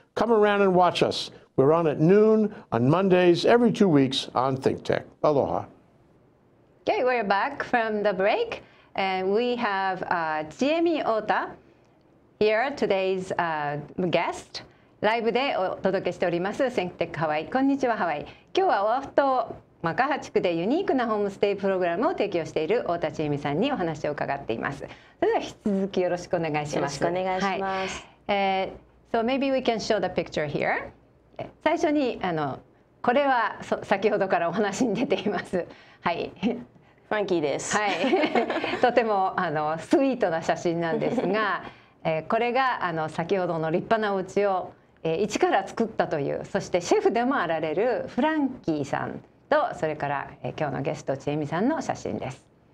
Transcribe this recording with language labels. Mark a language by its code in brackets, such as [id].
[en] Come around and watch us. We're on at noon on Mondays, every 2 weeks on ThinkTech. Aloha. Okay, we're back from the break. And we have Jimmy Ota here, today's guest. [ja] ライブでお届けしております ThinkTech Hawaii。こんにちは、ハワイ。今日はオアフ島マカハ地区でユニークなホームステイプログラムを提供している太田千恵美さんにお話を伺っています。それでは引き続きよろしくお願いします。よろしくお願いします、はい。 [en] So maybe we can show the picture here。 [ja] 最初にこれは先ほどからお話に出ています、はい、ファンキーです、はい、とてもスイートな写真なんですが、これが先ほどの立派なお家を一から作ったという、そしてシェフでもあられるフランキーさんと、それから今日のゲスト千恵美さんの写真です。